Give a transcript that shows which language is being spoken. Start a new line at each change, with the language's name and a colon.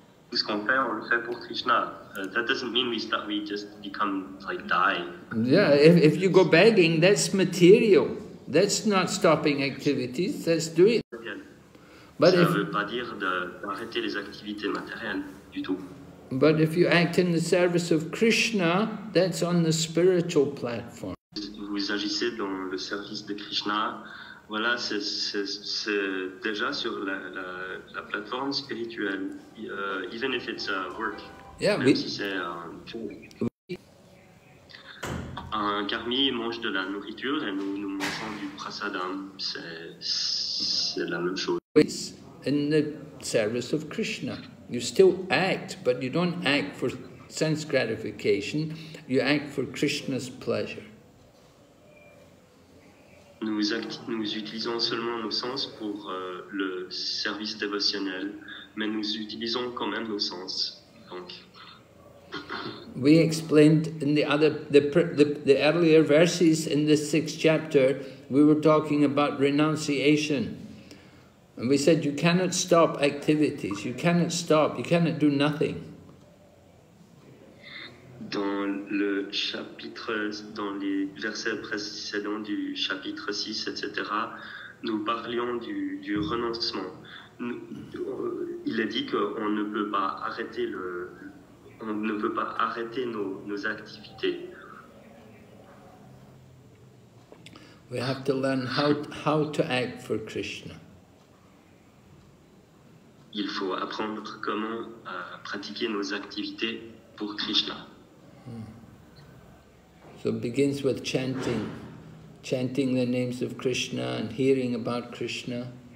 French: Tout ce qu'on fait, on le fait pour Krishna.
English: That doesn't mean we just become like die. Yeah, if you go begging, that's material. That's not stopping activities, that's doing it.
French: But ça veut pas dire d'arrêter les activités matérielles du tout.
English: But if you act in the service of Krishna, that's on the spiritual platform.
French: Vous agissez dans le service de Krishna, voilà, c'est déjà sur la plateforme spirituelle,
English: even if it's a work. Yeah,
French: même si c'est un karmi mange de la nourriture et nous mangeons du prasadam, c'est la même chose.
English: It's in the service of Krishna. You still act, but you don't act for sense gratification, you act for Krishna's pleasure.
French: Nous utilisons seulement nos sens pour le service dévotionnel, mais nous utilisons quand même nos sens. Donc.
English: We explained in the earlier verses in this sixth chapter, we were talking about renunciation. And we said, you cannot stop activities, you cannot stop, you cannot do nothing.
French: Dans le chapitre, dans les versets précédents du chapitre 6, etc., nous parlions du renoncement. Il est dit qu'on ne peut pas arrêter nos activités.
English: We have to learn how to act for Krishna.
French: Il faut apprendre comment pratiquer nos activités pour Krishna.
English: So it begins with chanting the names of Krishna and hearing about Krishna.